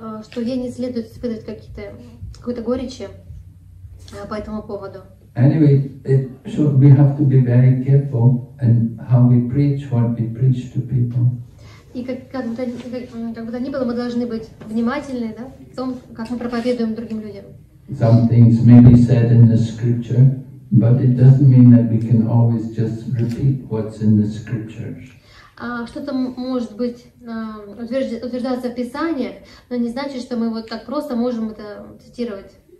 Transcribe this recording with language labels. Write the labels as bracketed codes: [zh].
[ru] Что ей не следует испытывать какой-то горечи по этому поводу. [en] Anyway, so we have to be very careful in how we preach, what we preach to people. [ru] И как бы то ни было, мы должны быть внимательны, да, в том, как мы проповедуем другим людям. [en] Some things may be said in the scripture, but it doesn't mean that we can always just repeat what's in the scriptures. [ru] Что-то может быть утверждаться в Писаниях, но не значит, что мы вот так просто можем это цитировать.